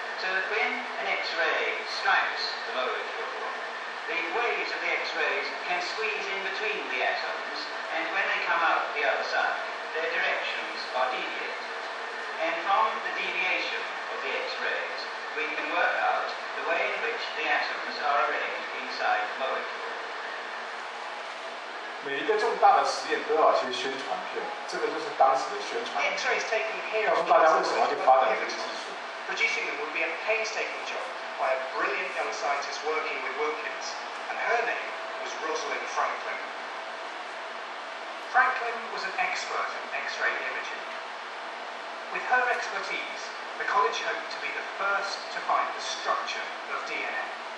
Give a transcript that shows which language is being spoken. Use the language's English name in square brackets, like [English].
[English] So that when an X-ray strikes the molecule, the waves of the X-rays can squeeze in between the atoms, and when they come out the other side,their directions are deviated. And from the deviation of the X-rays, we can work out the way in which the atoms are arranged inside the molecule. [Chinese] 每一个重大的实验都要有些宣传片，这个就是当时的宣传片。 [English] X-rays taken here, [Chinese] 告诉大家为什么要去发展这个技术。 [English] Producing them would be a painstaking job by a brilliant young scientist working with Wilkins, and her name was Rosalind Franklin. Franklin was an expert in X-ray imaging. With her expertise, the college hoped to be the first to find the structure of DNA.